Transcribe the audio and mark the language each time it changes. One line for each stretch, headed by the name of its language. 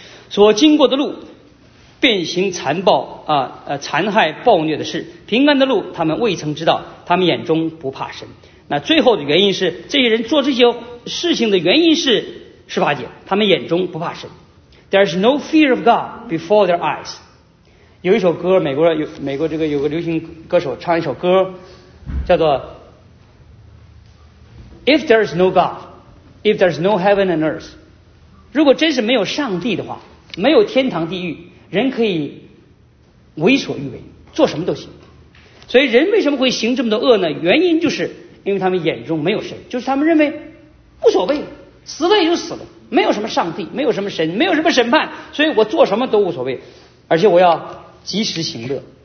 Chinese: 所经过的路，变形残暴啊，残害暴虐的事，平安的路，他们未曾知道，他们眼中不怕神。那最后的原因是，这些人做这些事情的原因是十八节，他们眼中不怕神。
English: There is no fear of God before their eyes。
Chinese: 有一首歌，美国这个有个流行歌手唱一首歌，叫做
English: If there is no God, if there is no heaven and earth。
Chinese: 如果真是没有上帝的话，没有天堂地狱，人可以为所欲为，做什么都行。所以人为什么会行这么多恶呢？原因就是因为他们眼中没有神，就是他们认为无所谓，死了也就死了，没有什么上帝，没有什么神，没有什么审判，所以我做什么都无所谓，而且我要及时行乐。